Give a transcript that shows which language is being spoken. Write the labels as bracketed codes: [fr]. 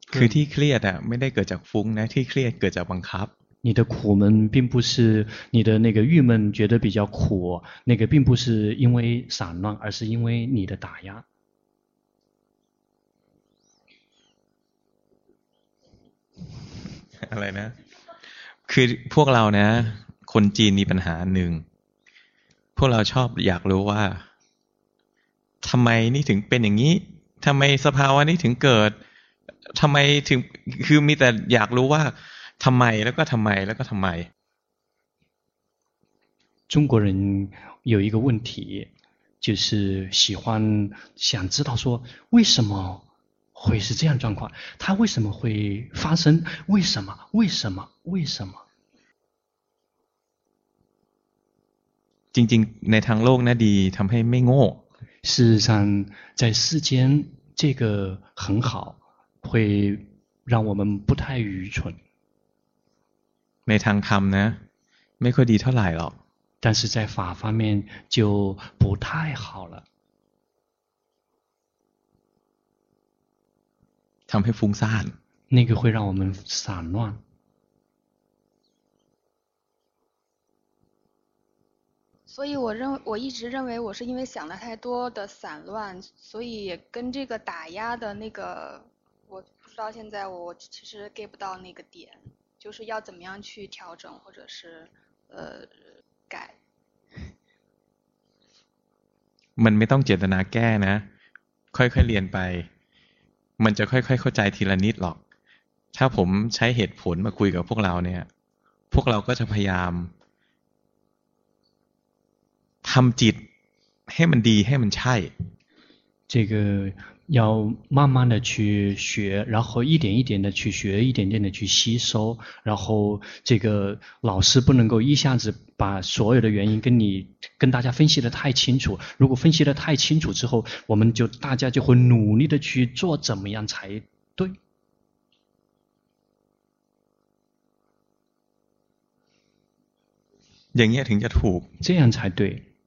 [th] คือที่เครียดอ่ะไม่ได้เกิดจากฟุ้งนะที่เครียดเกิดจากบังคับ [zh] 你的苦闷并不是你的那个郁闷觉得比较苦那个并不是因为散乱而是因为你的打压 [th] อะไรนะคือพวกเรานะคนจีนมีปัญหาหนึ่งพวกเราชอบอยากรู้ว่าทำไมนี่ถึงเป็นอย่างนี้ทำไมสภาวะนี้ถึงเกิด ทำไมถึงคือมีแต่อยากรู้ว่าทำไมแล้วก็ทำไมแล้วก็ทำไม [zh] 中国人有一个问题，就是喜欢想知道说为什么会是这样状况，它为什么会发生，为什么，为什么，为什么？ [th] จริงๆในทางโลกนะดีทำให้ไม่โง่ [zh] 事实上在世间这个很好会让我们不太愚蠢 [th] ในทางธรรมนะไม่ค่อยดีเท่าไหร่หรอก [zh] 但是在法方面就不太好了 [th] ทำให้ฟุ้งซ่าน [zh] 那个会让我们散乱所以我一直认为我是因为想的太多的散乱所以跟这个打压的那个我不知道现在我其实 get 不到那个点就是要怎么样去调整或者是改 [th] มันไม่ต้องเจตนาแก้นะค่อยๆเรียนไปมันจะค่อยๆเข้าใจทีละนิดหรอกถ้าผมใช้เหตุผลมาคุยกับพวกเราเนี่ยพวกเราก็จะพยายามทำจิตให้มันดีให้มันใช่ [zh] 这个要慢慢的去学然后一点一点的去学一点点的去吸收然后这个老师不能够一下子把所有的原因跟大家分析的太清楚如果分析的太清楚之后我们就大家就会努力的去做怎么样才对这样才对